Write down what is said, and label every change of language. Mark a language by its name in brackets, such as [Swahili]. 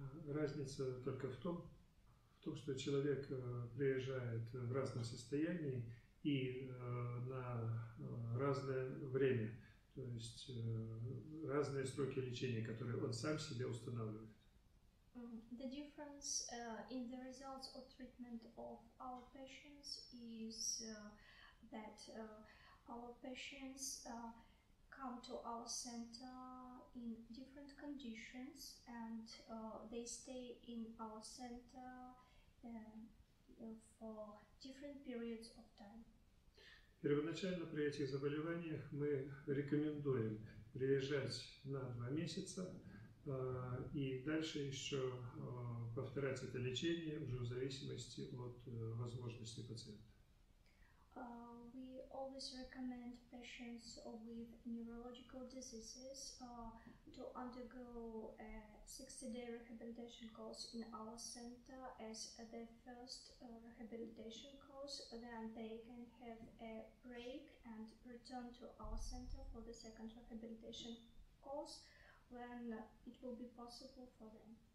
[Russian] Разница только в том, что человек приезжает в разном состоянии и на разное время, то есть разные сроки лечения, которые он сам себе устанавливает. [English] The difference in the results of treatment of our patients is that our patients come to our center in different conditions and they stay in our center for different periods of time. [Russian] Первоначально при этих заболеваниях мы рекомендуем приезжать на 2 месяца и дальше еще повторять это лечение уже в зависимости от возможности пациента. [English] We always recommend patients with neurological diseases to undergo a 60-day rehabilitation course in our center as the first rehabilitation course. Then they can have a break and return to our center for the second rehabilitation course when it will be possible for them.